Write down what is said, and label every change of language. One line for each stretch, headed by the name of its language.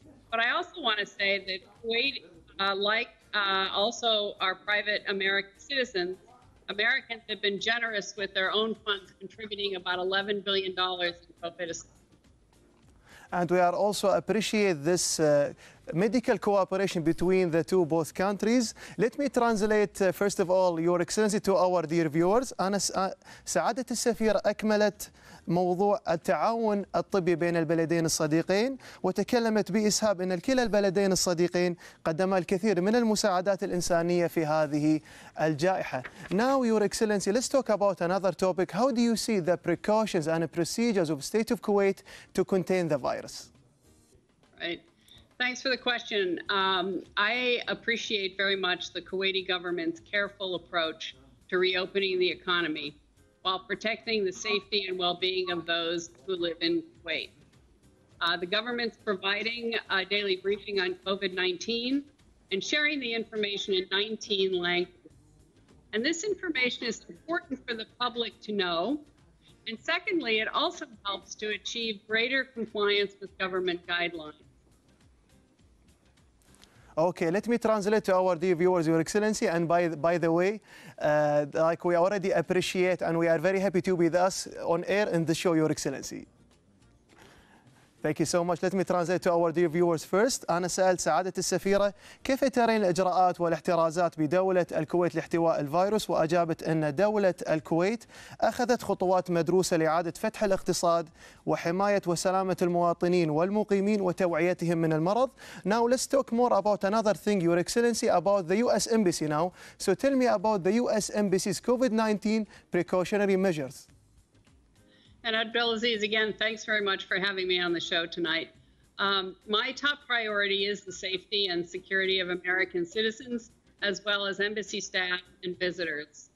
English: But I also want to say that Kuwait, like also our private American citizens, Americans have been generous with their own funds, contributing about $11 billion in COVID assistance. And we are also appreciate this medical cooperation between the two, both countries. Let me translate, first of all, Your Excellency, to our dear viewers.
Arabic: أنا سعادة السفير أكملت موضوع التعاون الطبي بين البلدين الصديقين وتكلمت بإسهاب أن كلا البلدين الصديقين قدما الكثير من المساعدات الإنسانية في هذه الجائحة.
English: Now, Your Excellency, let's talk about another topic. How do you see the precautions and procedures of the state of Kuwait to contain the virus? Right. Thanks for the question. I appreciate very much the Kuwaiti government's careful approach to reopening the economy while protecting the safety and well-being of those who live in Kuwait. The government's providing a daily briefing on COVID-19 and sharing the information in 19 languages. And this information is important for the public to know. And secondly, it also helps to achieve greater compliance with government guidelines. Okay, let me translate to our dear viewers, Your Excellency. And by the way, like we already appreciate and we are very happy to be with us on air in the show, Your Excellency. Thank you so much. Let me translate to our dear viewers first.
Arabic: أنا سألت سعادة السفيرة كيف ترين الإجراءات والاحترازات بدولة الكويت لاحتواء الفيروس وأجابت أن دولة الكويت أخذت خطوات مدروسة لإعادة فتح الاقتصاد وحماية وسلامة المواطنين والمقيمين وتوعيتهم من المرض.
English: Now let's talk more about another thing, Your Excellency, about the U.S. Embassy now. So tell me about the U.S. Embassy's COVID-19 precautionary measures. And Abdulaziz, again, thanks very much for having me on the show tonight. My top priority is the safety and security of American citizens, as well as embassy staff and visitors.